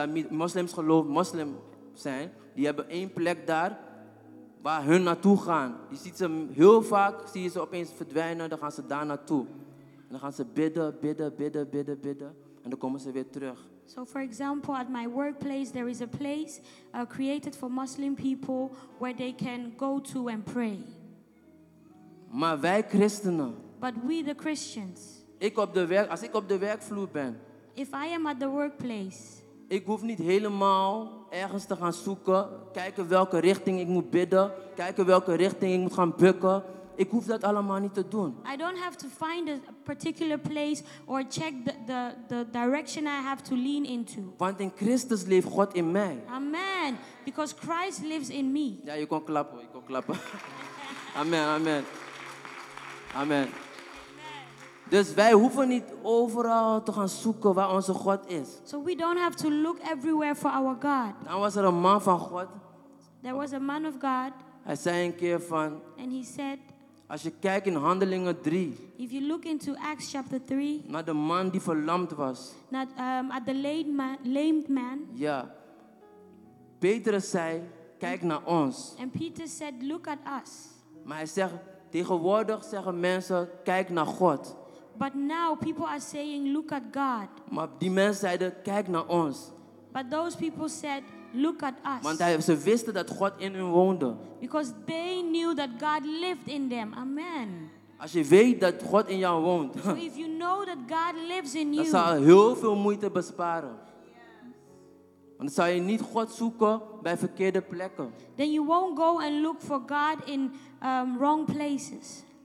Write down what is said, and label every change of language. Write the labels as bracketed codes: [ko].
[nl] Moslims geloof, moslim zijn, die hebben één plek daar waar hun naartoe gaan. Je ziet ze heel vaak, zie je ze opeens verdwijnen, dan gaan ze daar naartoe. En dan gaan ze bidden. En dan komen ze weer terug. [en] So for example, at my workplace, there is a place created for Muslim people where they can go to and pray. [nl] Maar wij christenen. [en] But we the Christians. [nl] Als ik op de werkvloer ben. [en] If I am at the workplace. [nl] Ik hoef niet helemaal ergens te gaan zoeken. Kijken welke richting ik moet bidden. Kijken welke richting ik moet gaan bukken. Ik hoef dat allemaal niet te doen. [en] I don't have to find a particular place or check the direction I have to lean into. [nl] Want in Christus leeft God in mij. Amen. [en] Because Christ lives in me. [nl] Ja, je kon klappen. Je kon klappen. Amen, amen. Amen. Dus wij hoeven niet overal te gaan zoeken waar onze God is. [en] So we don't have to look everywhere for our God. [nl] Dan was er een man van God. [en] There was a man of God. [nl] Hij zei een keer van. [en] And he said. [nl] Als je kijkt in Handelingen 3. [en] If you look into Acts chapter 3. [nl] Naar de man die verlamd was. [en] At the lame man. Ja. [nl] Petrus zei, kijk naar ons. [en] And Peter said, look at us. [nl] Maar hij zegt, tegenwoordig zeggen mensen, kijk naar God. [en] But now people are saying, look at God. [nl] Maar die mensen zeiden, kijk naar ons. [en] But those people said, look at us. [nl] Want ze wisten dat God in hun woonde. [en] Because they knew that God lived in them. Amen. [nl] Als je weet dat God in jou woont. [en] So if you know that God lives in you. [nl] Dat zal heel veel moeite besparen. Want dan zou je niet God zoeken bij verkeerde plekken. [en] Then you won't go and look for God in wrong places.